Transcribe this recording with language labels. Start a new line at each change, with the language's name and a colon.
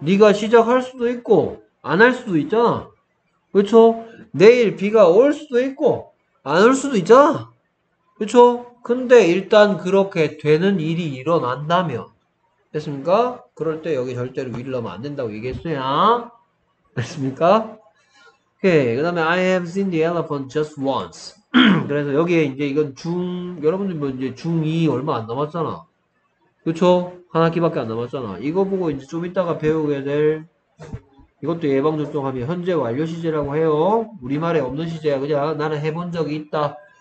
Korean: 네가 시작할 수도 있고 안할 수도 있잖아. 그렇죠? 내일 비가 올 수도 있고 안올 수도 있잖아. 그렇죠? 근데 일단 그렇게 되는 일이 일어난다면, 됐습니까? 그럴 때 여기 절대로 위를 넣으면 안 된다고 얘기했어요. 됐습니까? 오케이. 그다음에
English: I have seen the elephant just once.
Korean: 그래서 여기에 이제 이건 중 여러분들 뭐 이제 중2 얼마 안 남았잖아. 그렇죠? 한 학기밖에 안 남았잖아. 이거 보고 이제 좀 이따가 배우게 될 이것도 예방접종하면 현재 완료 시제라고 해요. 우리말에 없는 시제야. 그냥 나는 해본 적이 있다.